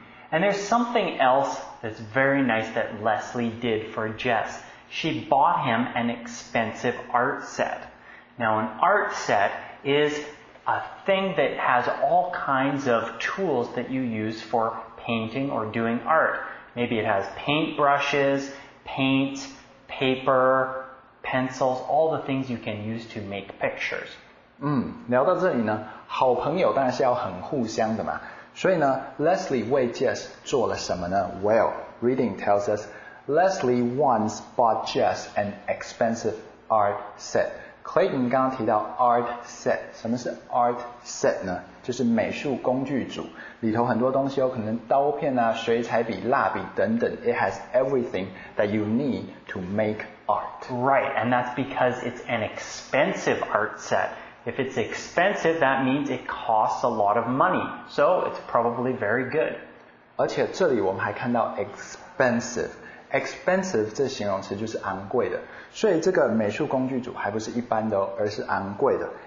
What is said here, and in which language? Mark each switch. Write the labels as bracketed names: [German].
[English] And there's something else that's very nice that Leslie did for Jess She bought him an expensive art set Now an art set isA thing that has all kinds of tools that you use for painting or doing art. Maybe it has paint brushes, paint, paper, pencils, all the things you can use to make pictures. [Chinese] 聊到这里呢，好朋友当然是要很互相的嘛。所以呢 ，Leslie 为 Jess 做了什么呢 ？ [English] Well, reading tells us Leslie once bought Jess an expensive art set. [Chinese] Clayton 刚刚提到 art set, 什么是 art set 呢? 就是美术工具组，里头很多东西有可能刀片啊、水彩笔、蜡笔等等。 [English] It has everything that you need to make art. Right, and that's because it's an expensive art set. If it's expensive, that means it costs a lot of money. So it's probably very good. [Chinese] 而且这里我们还看到 expensive. Expensive 这形容词就是昂贵的，所以这个美术工具组还不是一般的，而是昂贵的。